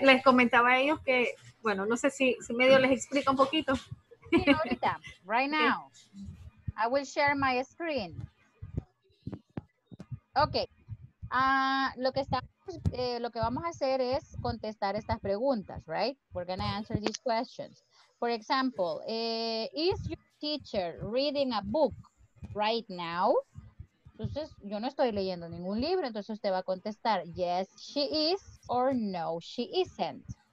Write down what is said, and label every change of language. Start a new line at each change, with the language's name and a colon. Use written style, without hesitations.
Spanish: Yo les comentaba a ellos que, bueno, no sé si medio les explica un poquito. Sí, ahorita,
English: right now. Okay. I will share my screen. Ok.
Spanish: Lo que vamos a hacer es contestar estas preguntas, right?
English: We're going to answer these questions. For example, is your teacher reading a book right now?
Spanish: Entonces, yo no estoy leyendo ningún libro, entonces usted va a contestar
English: yes, she is, or no, she isn't.